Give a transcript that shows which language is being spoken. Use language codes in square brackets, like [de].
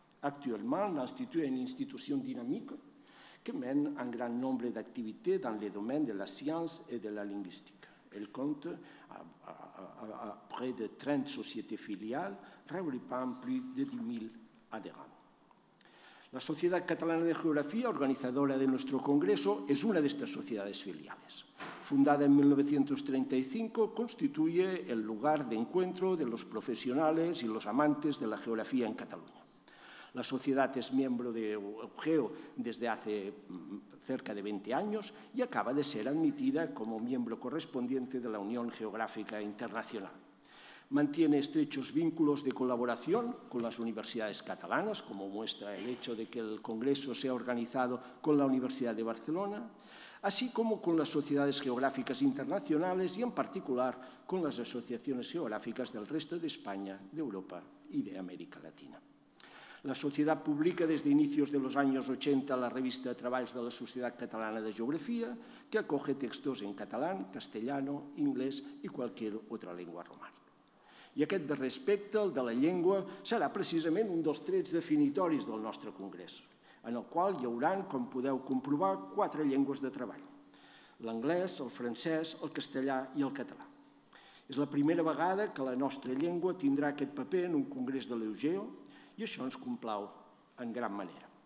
[fr] Actuellement, l'Institut est une institution dynamique qui mène un grand nombre d'activités dans les domaines de la science et de la linguistique. Elle compte à près de 30 sociétés filiales, regroupant plus de 10 000 adhérents. [es] La Sociedad Catalana de Geografía, organizadora de nuestro congreso, es una de estas sociedades filiales. Fundada en 1935, constituye el lugar de encuentro de los profesionales y los amantes de la geografía en Cataluña. La sociedad es miembro de UGEO desde hace cerca de 20 años y acaba de ser admitida como miembro correspondiente de la Unión Geográfica Internacional. Mantiene estrechos vínculos de colaboración con las universidades catalanas, como muestra el hecho de que el Congreso sea organizado con la Universidad de Barcelona, así como con las sociedades geográficas internacionales y, en particular, con las asociaciones geográficas del resto de España, de Europa y de América Latina. La sociedad publica desde inicios de los años 80 la revista Treballs de la Sociedad Catalana de Geografía, que acoge textos en catalán, castellano, inglés y cualquier otra lengua romana. [ca] I aquest de respecte, el de la llengua, serà precisament un dels trets definitoris del nostre congrés, en el qual hi haurà, com podeu comprovar, quatre llengües de treball: l'anglès, el francès, el castellà i el català. És la primera vegada que la nostra llengua tindrà aquest paper en un congrés de l'UGEO i això ens complau en gran manera.